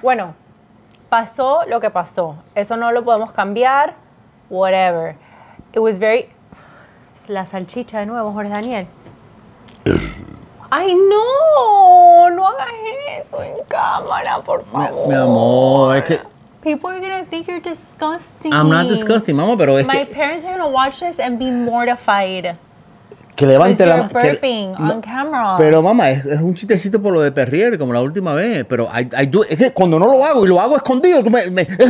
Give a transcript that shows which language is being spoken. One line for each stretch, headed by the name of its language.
Spanish: Bueno, pasó lo que pasó. Eso no lo podemos cambiar.
English: Whatever. It was very...
Spanish: La salchicha de nuevo, Jorge Daniel. ¡Ay, no! No hagas eso en cámara, por favor. Mi amor, es que...
English: People are going to think you're disgusting. I'm not disgusting, mamá,
Spanish: pero es
English: My My parents are going to watch this and be mortified.
Spanish: Que levante la...
English: Because you're burping on camera.
Spanish: Pero, mamá, es un chistecito por lo de Perrier, como la última vez. Pero
English: I do...
Spanish: Es que cuando no lo hago y lo hago escondido, tú me...